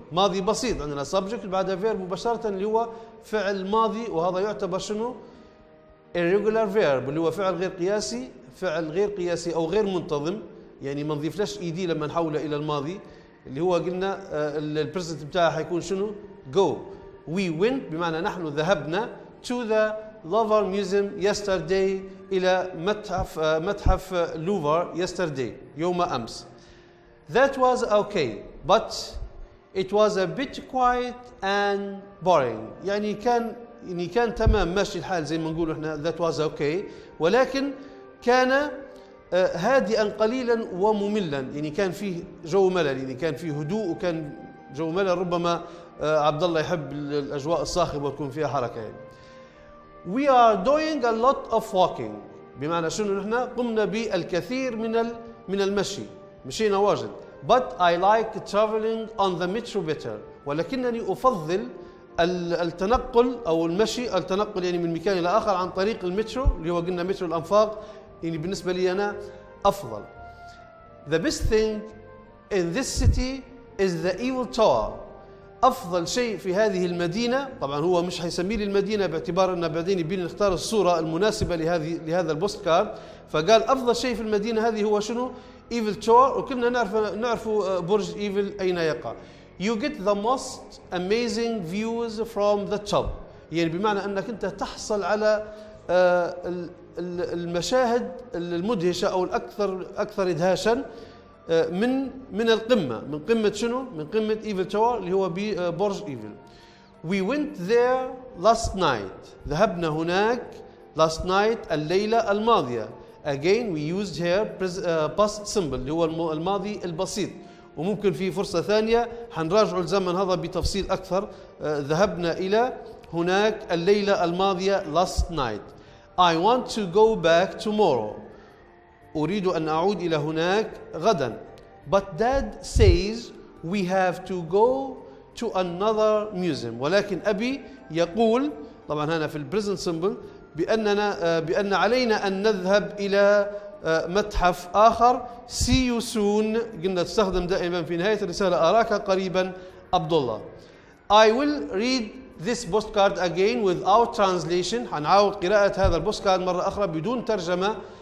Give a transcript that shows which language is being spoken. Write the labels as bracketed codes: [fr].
[ar] ماضي بسيط، عندنا subject بعدها verb مباشرة اللي هو فعل ماضي، وهذا يعتبر شنو؟ Irregular verb اللي هو فعل غير قياسي، فعل غير قياسي أو غير منتظم، يعني ما نضيفلاش إيدي لما نحوله إلى الماضي، اللي هو قلنا الـ present بتاعه حيكون شنو؟ Go. [en] We went [ar] بمعنى نحن ذهبنا [en] to the Louvre Museum yesterday، [ar] إلى متحف متحف لوفر [en] yesterday [ar] يوم أمس. [en] That was okay but it was a bit quiet and boring. [ar] يعني كان يعني كان تمام ماشي الحال زي ما نقول إحنا [en] that was okay، [ar] ولكن كان هادئا قليلا ومملا، يعني كان فيه جو ملل، يعني كان فيه هدوء وكان جو ملل. ربما عبد الله يحب الأجواء الصاخبة وتكون فيها حركة. [en] We are doing a lot of walking [ar] بمعنى شنو؟ نحن قمنا بالكثير من المشي، مشينا واجد. [en] But I like traveling on the metro better، [ar] ولكنني أفضل التنقل أو المشي، التنقل يعني من مكان إلى آخر عن طريق المترو اللي هو قلنا مترو الأنفاق، يعني بالنسبة لي أنا أفضل. [en] The best thing in this city is the Eiffel Tower. [ar] أفضل شيء في هذه المدينة، طبعا هو مش هيسمي لي المدينة باعتبار أن بعدين يبين نختار الصورة المناسبة لهذا البوستكارد، فقال أفضل شيء في المدينة هذه هو شنو؟ Eiffel Tower. وكلنا نعرف برج إيفل أين يقع. [en] You get the most amazing views from the top. [ar] يعني بمعنى أنك أنت تحصل على المشاهد المدهشة أو الأكثر إدهاشا من القمة، من قمة شنو؟ من قمة إيفل تاور اللي هو برج إيفل. [en] We went there last night. [ar] ذهبنا هناك [en] last night [ar] الليلة الماضية. [en] Again we used here past symbol [ar] اللي هو الماضي البسيط. وممكن في فرصة ثانية حنراجع الزمن هذا بتفصيل أكثر. ذهبنا إلى هناك الليلة الماضية [en] last night. I want to go back tomorrow. [ar] أريد أن أعود إلى هناك غدا. [en] But dad says we have to go to another museum. [ar] ولكن أبي يقول طبعا هنا في البريزنت سيمبل بأن علينا أن نذهب إلى متحف آخر. [en] See you soon. [ar] قلنا تستخدم دائما في نهاية الرسالة أراك قريبا عبد الله. [en] I will read this postcard again without translation. [ar] حنعاود قراءة هذا البوستكارد مرة أخرى بدون ترجمة.